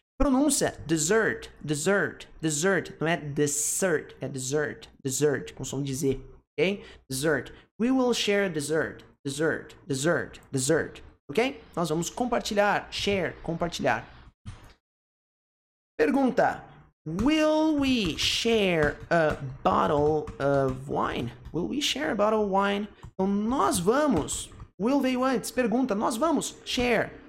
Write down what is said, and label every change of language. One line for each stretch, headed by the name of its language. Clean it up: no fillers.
Portuguese: Pronúncia, dessert, dessert, dessert, não é dessert, é dessert, dessert, com som de Z, ok?
English: Dessert, we will share a dessert, dessert, dessert, dessert, ok?
Portuguese: Nós vamos compartilhar, share, compartilhar.
English: Pergunta, will we share a bottle of wine? Will we share a bottle of wine?
Portuguese: Então, nós vamos, will veio antes, pergunta, nós vamos, share.